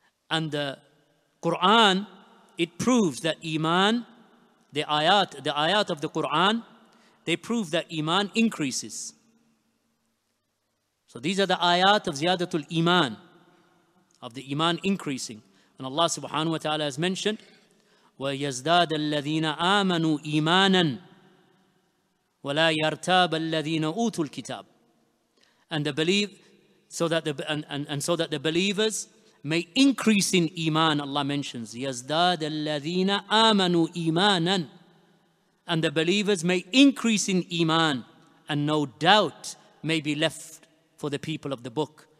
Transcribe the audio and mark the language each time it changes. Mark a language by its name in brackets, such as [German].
[English] And the Quran, it proves that iman, the ayat of the Quran, they prove that iman increases. So these are the ayat of ziyadatul iman, of the iman increasing. And Allah subhanahu wa ta'ala has mentioned, [Arabic] وَيَزْدَادَ الَّذِينَ آمَنُوا إِيمَانًا وَلَا يَرْتَابَ الَّذِينَ أُوتُوا الْكِتَابِ. [English] And the belief, so that the and so that the believers may increase in iman, Allah mentions, [Arabic] يَزْدَادَ الَّذِينَ آمَنُوا إِيمَانًا. [English] And the believers may increase in iman, and no doubt may be left for the people of the book.